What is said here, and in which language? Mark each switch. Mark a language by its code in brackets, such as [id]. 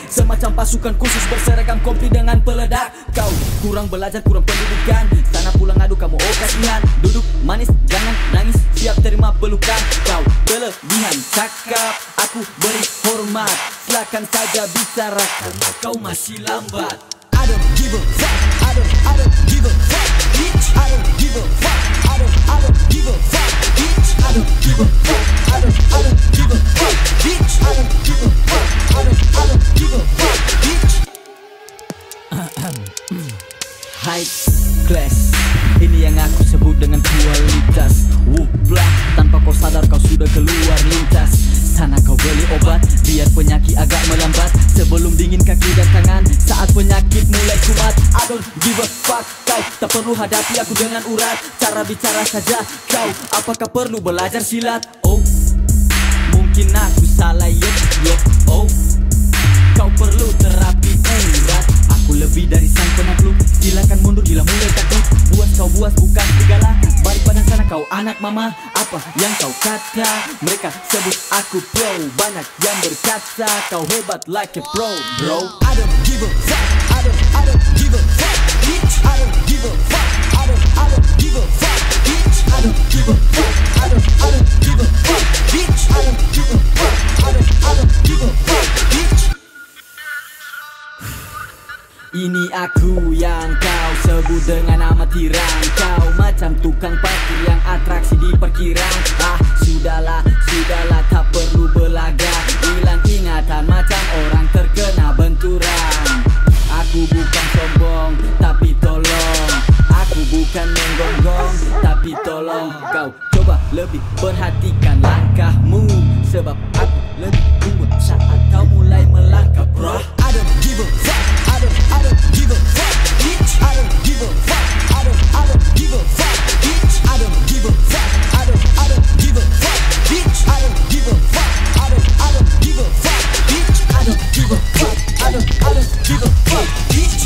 [id] Semacam pasukan khusus berseragam kompli dengan peledak. Kau kurang belajar, kurang pendidikan, sana pulang adu kamu okasian. Duduk manis, jangan nangis, siap terima pelukan. Kau kelebihan cakap, aku beri hormat. Silakan saja bicara, kau masih lambat. [en] I don't give a fuck, I don't give a fuck, bitch. I don't give a fuck, I don't give a fuck, bitch. I don't give a fuck, I don't give a fuck, bitch. I don't give a fuck, I don't give a fuck, bitch. High class, [id] ini yang aku sebut dengan kualitas. Wuplah, tanpa kau sadar kau sudah keluar lintas. Sana kau beli obat, biar penyakit agak melambat. Sebelum dingin kaki dan tangan, saat penyakit mulai kumat. [en] I don't give a fuck, [id] kau tak perlu hadapi aku dengan urat. Cara bicara saja, kau apakah perlu belajar silat? Oh, mungkin aku salah, yep, yep, oh. Kau perlu terapi urat. Aku lebih dari sang penakluk, silakan mundur gila mulai takut. Buat kau buas bukan segala, balik badan sana kau anak mama. Apa yang kau kata, mereka sebut aku pro. Banyak yang berkata kau hebat [en] like a pro, bro. I don't give a fuck, I don't give a fuck, bitch. I don't give a fuck, I don't give a fuck, bitch. I don't give a fuck, I don't give a fuck, bitch. I don't give a fuck, I don't give a fuck, bitch. [id] Ini aku yang kau sebut dengan nama tirang. Kau macam tukang parkir yang atraksi di parkiran. Ah, sudahlah, tak perlu belaga. Hilang ingatan macam orang terkena benturan. Aku bukan sombong, tapi tolong. Aku bukan menggonggong, tapi tolong. Kau coba lebih perhatikan langkahmu, sebab aku lebih kuat saat kau mulai melangkah, bro. [en] I don't give a fuck, I don't give a fuck, bitch. I don't give a fuck, I don't give a fuck, bitch. I don't give a fuck, I don't give a fuck, bitch. I don't give a fuck, I don't give a fuck, bitch. I don't give a fuck, I don't give a fuck, bitch.